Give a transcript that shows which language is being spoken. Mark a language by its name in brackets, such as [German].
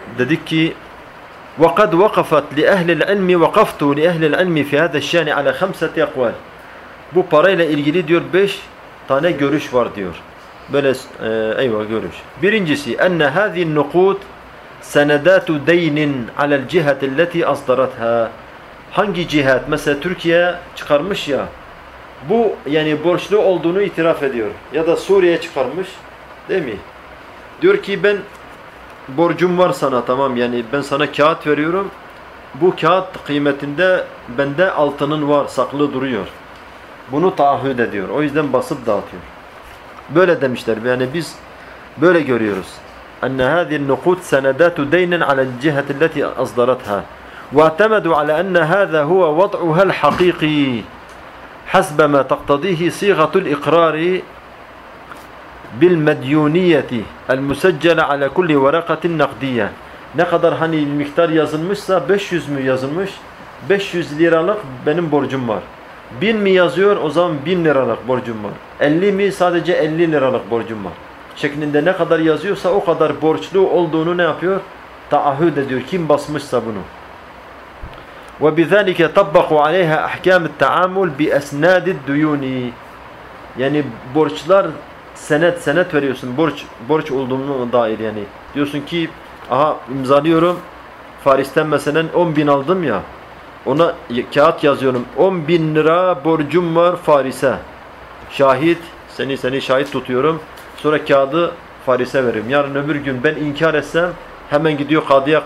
[Turkish] Dedik ki [Arabic] وقد وقفت لأهل العلم وقفت لأهل العلم في هذا الشأن على خمسة أقوال. [Turkish] Bu parayla ilgili diyor 5 tane görüş var diyor. Böyle görüş. Birincisi [Arabic] أن هذه النقود سندات دين على الجهة التي أصدرتها. [Turkish] Hangi cihat? Mesela Türkiye çıkarmış ya. Bu yani borçlu olduğunu itiraf ediyor. Ya da Suriye çıkarmış, değil mi? Diyor ki ben borcum var sana, tamam yani ben sana kağıt veriyorum. Bu kağıt kıymetinde bende altının var, saklı duruyor. Bunu taahhüt ediyor. O yüzden basıp dağıtıyor. Böyle demişler. Yani biz böyle görüyoruz. [Arabic] اَنَّ هَذِي النُّقُودِ سَنَدَاتُ دَيْنًا عَلَى الْجِهَةِ الَّتِي أَصْدَرَتْهَا وَاَتَمَدُوا عَلَى أَنَّ هَذَا هُوَ وَضْعُهَا الْحَقِيقِ حَسْبَ مَا تَقْتَضِيهِ صِيغَةُ الْإِقْرَارِ بِالْمَدْيُونِيَةِ الْمُسَجَّلَ عَلَى كُلِّ وَرَقَةٍ نَقْدِيَةٍ. [Turkish] Ne kadar hani miktar yazılmışsa, 500 mü yazılmış? 500 liralık benim borcum var. 1000 mi yazıyor, o zaman 1000 liralık borcum var. 50 mi, sadece 50 liralık borcum var. Şeklinde ne kadar yazıyorsa o kadar borçlu olduğunu ne yapıyor? Taahhüd ediyor. Kim basmışsa bunu. [Arabic] وَبِذَٰلِكَ تَبَّقُوا عَلَيْهَا اَحْكَامِ التَّعَامُلِ بِأَسْنَادِ الدُّيُونِ [Turkish] Yani borçlar senet senet veriyorsun. Borç olduğunu dair yani. Diyorsun ki aha imzalıyorum. Faris'ten mesela 10 bin aldım ya. Ona kağıt yazıyorum. 10 bin lira borcum var Faris'e. Şahit. Seni şahit tutuyorum. Sonra kağıdı Faris'e veririm. Yarın öbür gün ben inkar etsem hemen gidiyor kadıya.